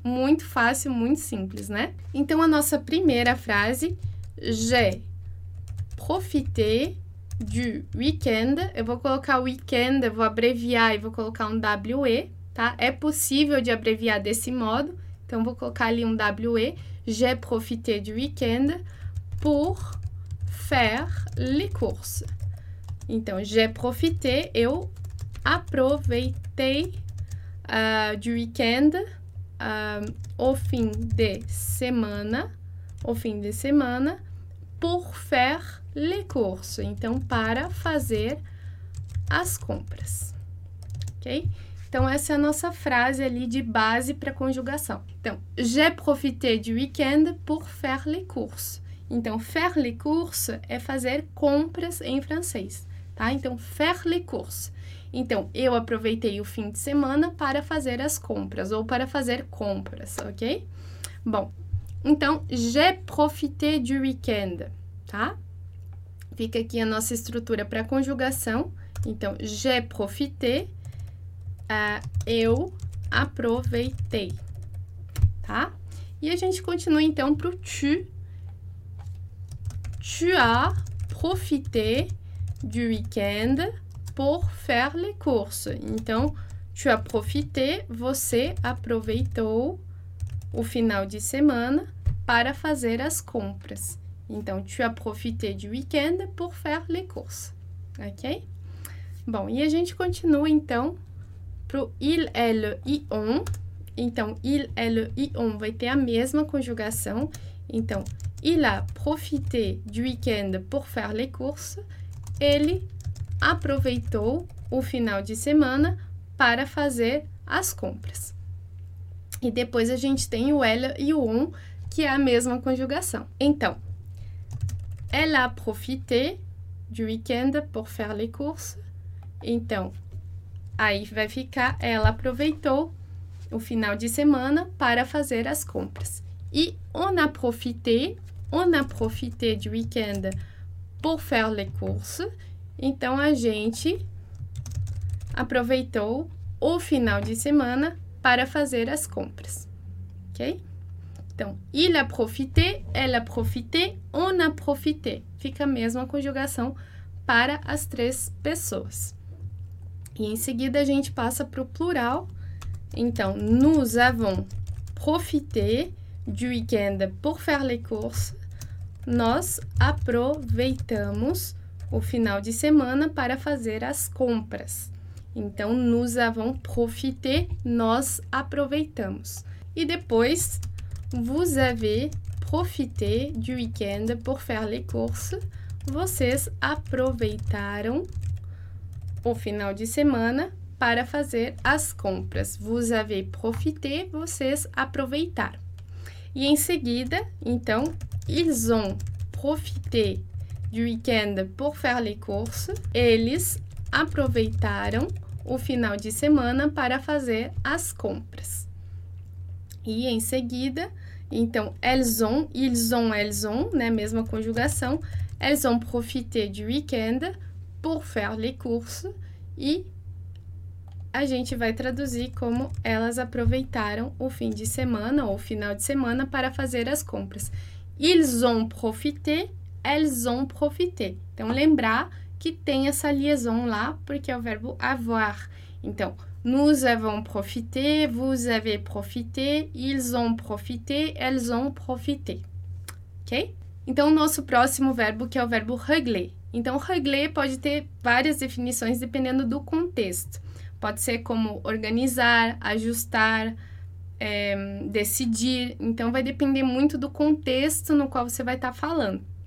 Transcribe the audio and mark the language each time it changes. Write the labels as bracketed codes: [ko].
[pt] Muito fácil, muito simples, né? Então, a nossa primeira frase, [fr] j'ai profité du weekend. [pt] Eu vou colocar weekend, eu vou abreviar e vou colocar um we, tá? É possível de abreviar desse modo. Então, vou colocar ali um we. [fr] J'ai profité du weekend pour faire les courses. [pt] Então, [fr] j'ai profité, [pt] eu aproveitei [fr] du weekend au [pt] fim de semana, au fim de semana, [fr] pour faire les courses. [pt] Então, para fazer as compras, ok? Então, essa é a nossa frase ali de base para conjugação. [fr] Então, j'ai profité du weekend pour faire les courses. [pt] Então, [fr] faire les courses [pt] é fazer compras em francês, tá? Então, [fr] faire les courses. [pt] Então, eu aproveitei o fim de semana para fazer as compras ou para fazer compras, ok? [fr] Bom, então, j'ai profité du weekend, tá? [pt] Fica aqui a nossa estrutura para conjugação. Então, [fr] j'ai profité, [pt] eu aproveitei, tá? E a gente continua, então, para o tu. [fr] Tu as profité du weekend pour faire les courses. [pt] Então, [fr] tu as profité, [pt] você aproveitou o final de semana para fazer as compras. [fr] Então, tu as profité du weekend pour faire les courses. Ok? [pt] Bom, e a gente continua, então, pro il, elle, i, on. Então, il, elle, i, on vai ter a mesma conjugação. [fr] Então, il a profité du weekend pour faire les courses. [pt] Ele aproveitou o final de semana para fazer as compras. E depois a gente tem o elle e o on, que é a mesma conjugação. [fr] Então, elle a profité du weekend pour faire les courses. [pt] Então, aí vai ficar, ela aproveitou o final de semana para fazer as compras. [fr] E on a profité du weekend pour faire les courses. [pt] Então, a gente aproveitou o final de semana para fazer as compras, ok? [fr] Então, il a profité, elle a profité, on a profité. [pt] Fica a mesma conjugação para as três pessoas. E em seguida, a gente passa para o plural. [fr] Então, nous avons profité du week-end pour faire les courses. [pt] Nós aproveitamos o final de semana para fazer as compras. Então, [fr] nous avons profité, [pt] nós aproveitamos. [fr] E depois, vous avez profité du week-end pour faire les courses. [pt] Vocês aproveitaram o final de semana para fazer as compras. [fr] Vous avez profité, [pt] vocês aproveitaram. E em seguida, então, [fr] ils ont profité du weekend pour faire les courses. [pt] Eles aproveitaram o final de semana para fazer as compras. E em seguida, então, [fr] elles ont, [pt] né, mesma conjugação. [fr] Elles ont profité du weekend pour faire les courses. [pt] E a gente vai traduzir como elas aproveitaram o fim de semana ou o final de semana para fazer as compras. [fr] Ils ont profité, elles ont profité. [pt] Então, lembrar que tem essa liaison lá, porque é o verbo avoir. [fr] Então, nous avons profité, vous avez profité, ils ont profité, elles ont profité. Ok? [pt] Então, o nosso próximo verbo, que é o verbo régler. Então, régler pode ter várias definições dependendo do contexto. Pode ser como organizar, ajustar, decidir. Então, vai depender muito do contexto no qual você vai estar falando.